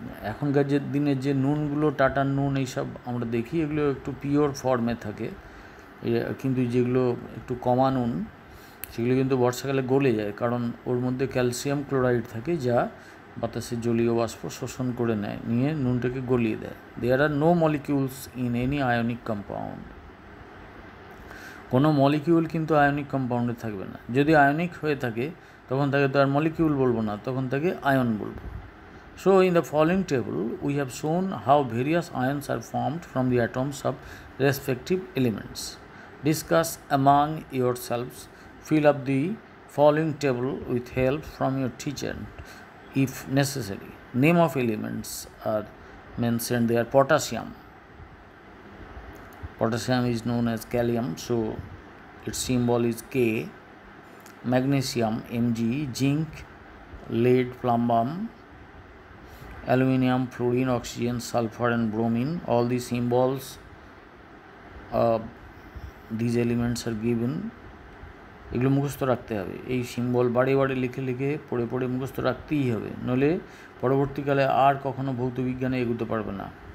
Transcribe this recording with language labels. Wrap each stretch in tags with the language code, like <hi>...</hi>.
<bn>এখনকার যে দিনের যে নুনগুলো টাটার নুন এইসব আমরা দেখি, এগুলো একটু পিওর ফর্মে থাকে, কিন্তু যেগুলো একটু কমা নুন সেগুলো কিন্তু বর্ষাকালে গলে যায়, কারণ ওর মধ্যে ক্যালসিয়াম ক্লোরাইড থাকে যা বাতাসে জলীয় বাষ্প শোষণ করে নেয়, নিয়ে নুনটাকে গলিয়ে দেয়।</bn> <en>there are no molecules in any ionic compound,</en> <bn>কোনো মলিকিউল কিন্তু আয়নিক কম্পাউন্ডে থাকবে না। যদি আয়নিক হয়ে থাকে তখন তাকে তো আর মলিকিউল বলবো না, তখন তাকে আয়ন বলবো।</bn> <en>So in the following table, we have shown how various ions are formed from the atoms of respective elements. Discuss among yourselves, fill up the following table with help from your teacher if necessary. Name of elements are mentioned there, potassium. Potassium is known as gallium, so its symbol is K. Magnesium, Mg, zinc, lead, plumbum. Aluminium, fluorine, oxygen, sulfur and bromine, all the symbols of these elements are given.</en> <bn>এগুলো মুখস্থ রাখতে হবে, এই symbol বাড়ে বাড়ে লিখে লিখে পড়ে পড়ে মুখস্থ রাখতেই হবে, নলে পরবর্তীকালে আর কখনো ভৌতবিজ্ঞানে এগোতে পারবে না।</bn>